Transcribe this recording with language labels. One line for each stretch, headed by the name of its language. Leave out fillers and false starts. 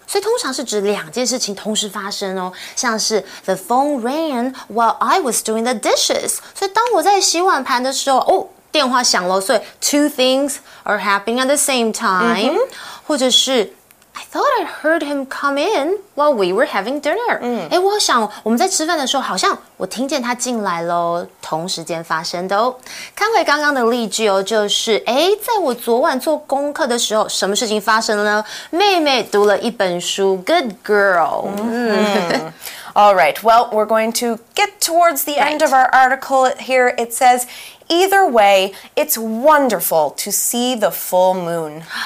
Chinese: 所以通常是指两件事情同时发生哦。像是
English: the phone rang while I was doing the dishes.
Chinese: 所以当我在洗碗盘的时候哦、oh, 电话响了。所以
English: two things are happening at the same time.、Mm-hmm.
Chinese: 或者是
English: I thought I heard him come in while we were having dinner.、Mm.
Chinese: 诶我想我们在吃饭的时候好像我听见他进来咯。同时间发生的哦。看回刚刚的例句哦，就是诶在我昨晚做功课的时候什么事情发生了呢？妹妹读了一本书
English: Good girl、 mm-hmm. All right, well, we're going to get towards the end of our article here. It says, either way, it's wonderful to see the full moon.